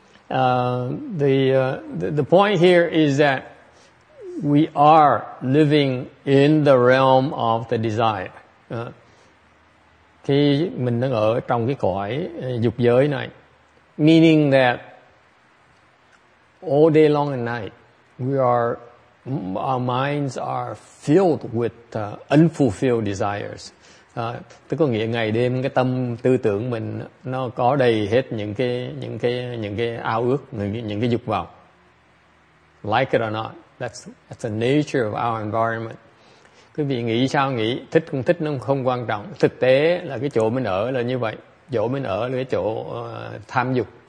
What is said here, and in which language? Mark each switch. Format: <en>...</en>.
<en>The point here is that we are living in the realm of the desire.</en> <vi>Khi mình đang ở trong cái cõi dục giới này,</vi> <en>meaning that all day long and night, our minds are filled with unfulfilled desires.</en> <vi>Tức có nghĩa ngày đêm cái tâm tư tưởng mình nó có đầy hết những cái ao ước, những cái dục vọng.</vi> <en>Like it or not, that's the nature of our environment.</en> <vi>Quý vị nghĩ sao nghĩ, thích không thích nó không quan trọng. Thực tế là cái chỗ mình ở là như vậy. Chỗ mình ở là cái chỗ tham dục.</vi>